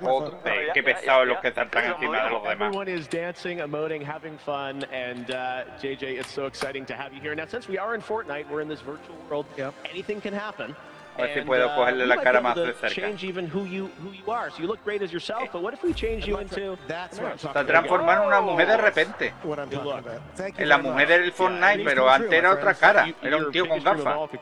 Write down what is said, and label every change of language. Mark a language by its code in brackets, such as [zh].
[es] Oh, qué pesado los que están encima de los demás. [en] Everyone is dancing, emoting, having fun, and JJ, it's so exciting to have you here. Now, since we are in Fortnite, we're in this virtual world. Yep. Anything can happen. [es] A ver si puedo cogerle la cara más de cerca. [en] Change even who you are. So you look great as yourself, but what if we change you into? [es] Está transformando una mujer de repente. En la mujer del Fortnite, pero antes era otra cara. Era un tío con gafas.